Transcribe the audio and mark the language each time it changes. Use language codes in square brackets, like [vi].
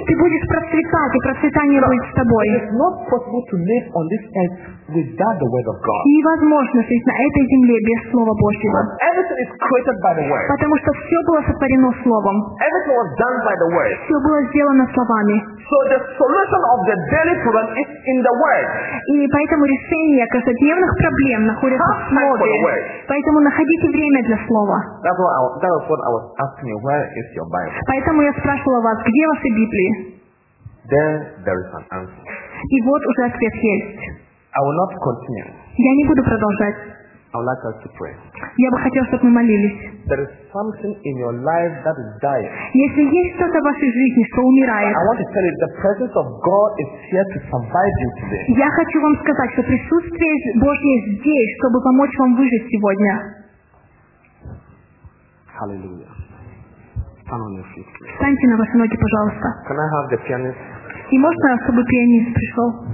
[ru] Ты будешь процветать, и процветание будет с тобой. [en] Not possible to live on this earth without the word of God. [ru] Невозможно жить на этой земле без слова Божьего. [en] Everything is created by the word. [ru] Потому что все было сотворено словом. [en] Everything was done by the word. [ru] Все было сделано словами. [en] So the solution of the daily problem is in the word. [ru] И поэтому решение каждодневных проблем находится в слове. Поэтому находите время для слова. [en] That's what I was asking you. Where is your Bible? [ru] Поэтому я спрашивала вас, где ваши Библии? [en] There is an answer. [ru] И вот уже ответ есть. [en] I will not continue. [ru] Я не буду продолжать. [en] I would like us to pray. [ru] Я бы хотел, чтобы мы молились. [en] There is something in your life that is dying. [ru] Если есть что-то в вашей жизни, что умирает. [en] I want to tell you the presence of God is here to survive you today. [ru] Я хочу вам сказать, что присутствие Божье здесь, чтобы помочь вам выжить сегодня. [en] Hallelujah. Stand on your feet. [ru] Встаньте на ваши ноги, пожалуйста. [en] Can I have the pianist? [ru] И можно, чтобы пианист пришел?